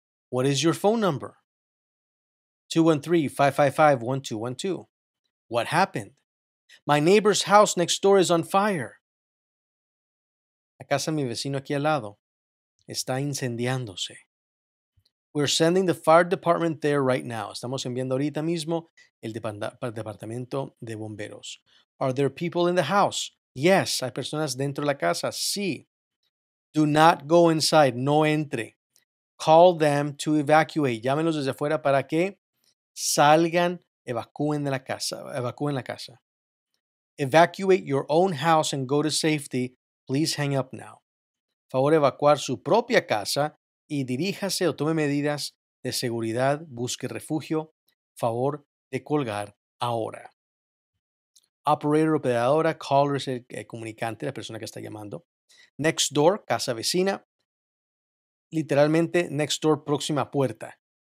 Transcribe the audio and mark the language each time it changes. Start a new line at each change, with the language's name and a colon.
English: What is your phone number? 213-555-1212. What happened? My neighbor's house next door is on fire.
Spanish: La casa de mi vecino aquí al lado está incendiándose.
English: We're sending the fire department there right now.
Spanish: Estamos enviando ahorita mismo el departamento de bomberos.
English: Are there people in the house?
Spanish: Yes. ¿Hay personas dentro de la casa? Sí.
English: Do not go inside.
Spanish: No entre.
English: Call them to evacuate.
Spanish: Llámenlos desde afuera para que salgan, evacúen de la casa. Evacúen la casa.
English: Evacuate your own house and go to safety. Please hang up now.
Spanish: Favor evacuar su propia casa y diríjase o tome medidas de seguridad. Busque refugio. Favor de colgar ahora. Operator, operadora, caller es el comunicante, la persona que está llamando. Next door, casa vecina. Literalmente, next door, próxima puerta.